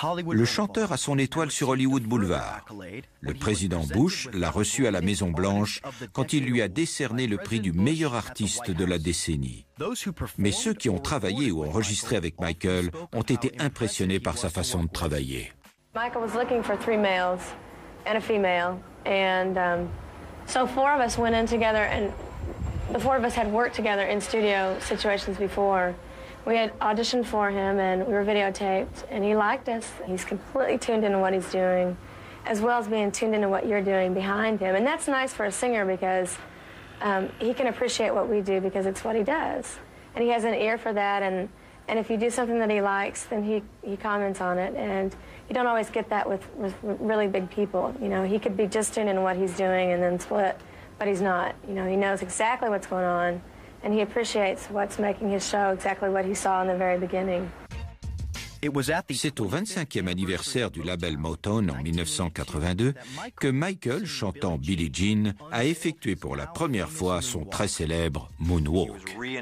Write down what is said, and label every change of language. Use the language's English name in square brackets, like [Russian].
[French] Le chanteur a son étoile sur Hollywood Boulevard. Le président Bush l'a reçu à la Maison Blanche quand il lui a décerné le prix du meilleur artiste de la décennie. Mais ceux qui ont travaillé ou enregistré avec Michael ont été impressionnés par sa façon de travailler. [English] Michael was looking for 3 males and a female, and so 4 of us went in together, and the 4 of us had worked together in studio situations before. We had auditioned for him and we were videotaped, and he liked us. He's completely tuned into what he's doing, as well as being tuned into what you're doing behind him. And that's nice for a singer, because he can appreciate what we do because it's what he does, and he has an ear for that. And And if you do something that he likes, then he comments on it. And you don't always get that with really big people. You know, he could be just tuned in what he's doing and then split, but he's not. You know, he knows exactly what's going on, and he appreciates what's making his show exactly what he saw in the very beginning. [French] C'est au 25e anniversaire du label Motown en 1982 que Michael, chantant Billie Jean, a effectué pour la première fois son très célèbre Moonwalk.